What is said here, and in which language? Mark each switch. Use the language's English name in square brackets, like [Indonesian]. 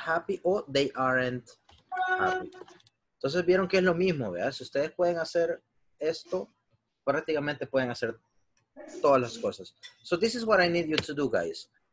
[English] They are not happy, or they aren't happy. [Spanish] Entonces vieron que es lo mismo, ¿verdad? Si ustedes pueden hacer esto, prácticamente pueden hacer todas las cosas. [English] So this is what I need you to do, guys.